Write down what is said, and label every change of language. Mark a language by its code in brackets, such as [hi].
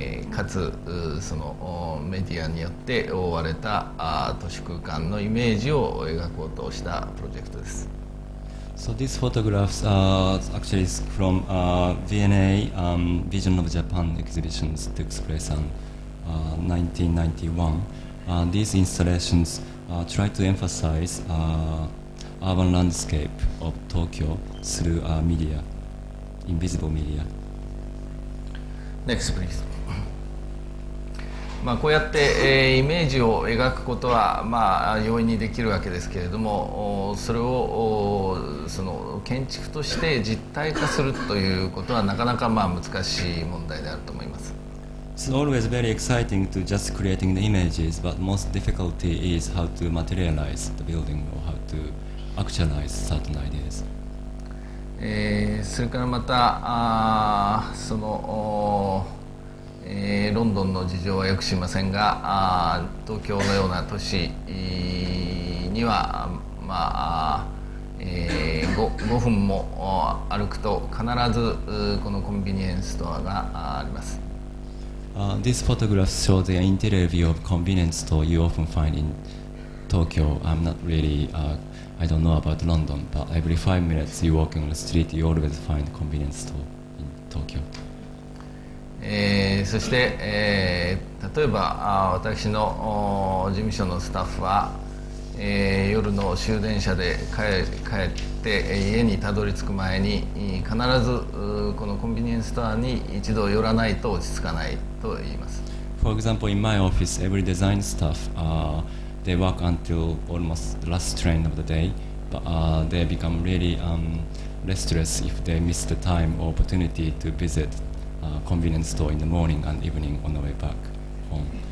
[ja] かつそのメディアによって覆われた都市空間のイメージを描こうとしたプロジェクトです。 [en] So these photographs are actually from V&A Vision of Japan exhibitions took place in 1991. These installations try to emphasize urban landscape of Tokyo through media, invisible media. Next, please. [ja] まあ、こうやって、イメージを描くことは、まあ、容易にできるわけですけれども、それをその建築として実体化するということはなかなか、まあ、難しい問題であると思います。 [en] It's always very exciting to just creating the images, but most difficulty is how to materialize the building or how to actualize certain ideas. [ja] それからまた、そのロンドンの事情はよく知りませんが、東京のような都市には、まあ5分も歩くと必ずこのコンビニエンスストアがあります。 [en] This photograph shows the interior view of convenience store you often find in Tokyo. I'm not really, I don't know about London, but every 5 minutes you walk on the street, you always find convenience store in Tokyo. [ja] そして、例えば私の事務所のスタッフは、夜の終電車で帰って家にたどり着く前に、必ずこのコンビニエンスストアに一度寄らないと落ち着かないと言います。 [en] For example, in my office, every design staff, they work until almost the last train of the day, but they become really restless if they miss the time or opportunity to visitconvenience store in the morning and evening on the way back home.